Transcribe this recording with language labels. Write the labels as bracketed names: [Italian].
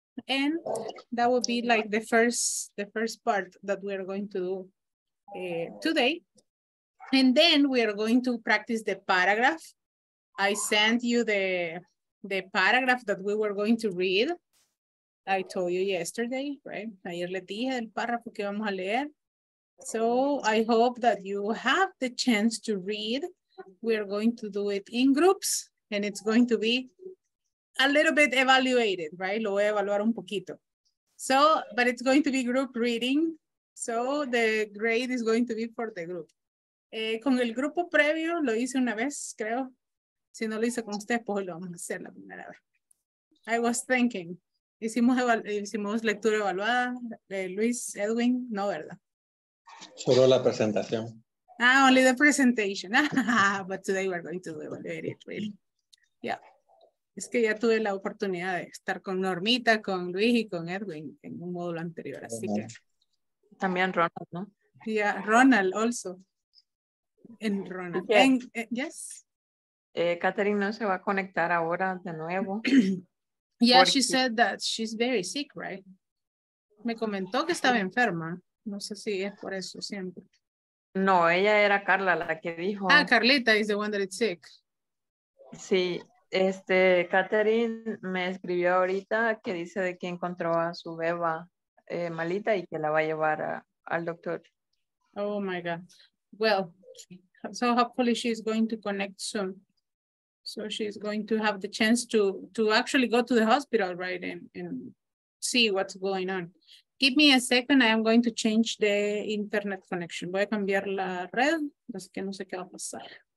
[English] And that will be like the first part that we are going to do today. And then we are going to practice the paragraph. I sent you the paragraph that we were going to read. I told you yesterday, right? [Spanish] Ayer le dije el párrafo que vamos a leer. [English] So I hope that you have the chance to read. We are going to do it in groups and it's going to be a little bit evaluated, right? [Spanish] Lo voy a evaluar un poquito. [English] So, but it's going to be group reading. So the grade is going to be for the group. [Spanish] Con el grupo previo lo hice una vez, creo. Si no lo hice con usted, pues lo vamos a hacer la primera vez. [English] I was thinking. [Spanish] Hicimos lectura evaluada, Luis, Edwin, no, ¿verdad? Solo la presentación. [English] Ah, only the presentation. But today we're going to evaluate it, really. Yeah. [Spanish] Es que ya tuve la oportunidad de estar con Normita, con Luis y con Edwin en un módulo anterior, así que. También Ronald, ¿no? [English] Yeah, Ronald, also. En Ronald. [Spanish] Bien. [English] Yes. [Spanish] Catherine no se va a conectar ahora de nuevo. [English] Yeah, she [Spanish] Porque [English] said that she's very sick, right? [Spanish] Me comentó que estaba enferma. No sé si es por eso siempre. no, ella era Carla la que Ah, dijo. [English] Carlita is the one that is sick. [Spanish] Sí, Catherine me escribió ahorita que dice de que encontró a su beba malita y que la va a llevar al doctor. [English] Oh my God. Well, so hopefully she's going to connect soon. So she's going to have the chance to actually go to the hospital, right, and see what's going on. Give me a second, I am going to change the internet connection. [Spanish] Voy a cambiar la red, así que no sé qué va a pasar.